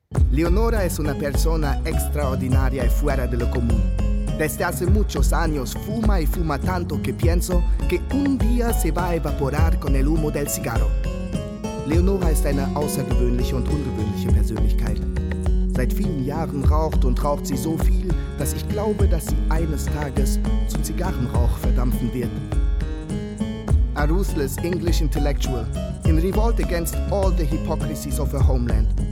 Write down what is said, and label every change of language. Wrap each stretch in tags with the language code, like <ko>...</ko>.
<es>Leonora es una persona extraordinaria y fuera de lo común. Desde hace muchos años fuma y fuma tanto que pienso que un día se va a evaporar con el humo del cigarro.</es> <de>Leonora ist eine außergewöhnliche und ungewöhnliche Persönlichkeit. Seit vielen Jahren raucht und raucht sie so viel, dass ich glaube, dass sie eines Tages zu Zigarrenrauch verdampfen wird.</de> <en>A ruthless English intellectual in revolt against all the hypocrisies of her homeland.</en>